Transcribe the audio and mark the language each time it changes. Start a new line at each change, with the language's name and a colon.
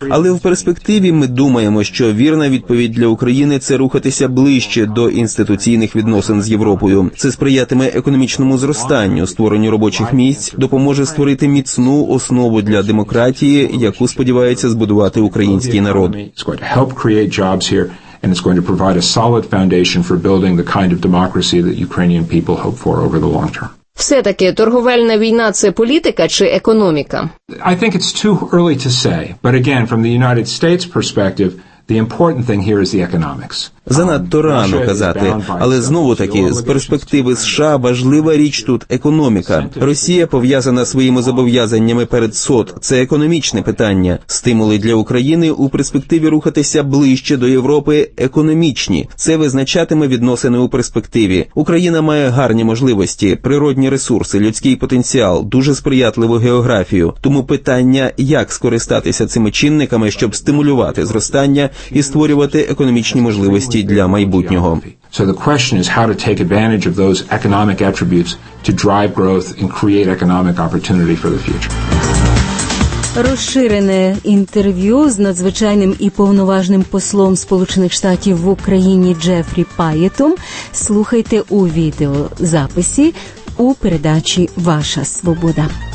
Ukrainian: Але в перспективі ми думаємо, що вірна відповідь для України – це рухатися ближче до інституційних відносин з Європою. Це сприятиме економічному зростанню, створенню робочих місць, допоможе створити міцну основу для демократії, яку сподівається збудувати український народ.
English: And it's going to provide a solid foundation for building the kind of democracy that Ukrainian people hope for over the long term.
Ukrainian: Все-таки торговельна війна – це політика чи економіка?
English: I think it's too early to say, but again, from the United States perspective, the important thing here is the economics.
Ukrainian: Занадто рано казати, але знову таки, з перспективи США важлива річ тут економіка. Росія пов'язана своїми зобов'язаннями перед СОТ. Це економічне питання. Стимули для України у перспективі рухатися ближче до Європи економічні. Це визначатиме відносини у перспективі. Україна має гарні можливості, природні ресурси, людський потенціал, дуже сприятливу географію. Тому питання, як скористатися цими чинниками, щоб стимулювати зростання і створювати економічні можливості для майбутнього.
English: So the question is how to take advantage of those economic attributes to drive growth and create economic opportunity for the future.
Ukrainian: Розширене інтерв'ю з надзвичайним і повноважним послом Сполучених Штатів в Україні Джефрі Пайетом слухайте у відеозаписі у передачі «Ваша свобода».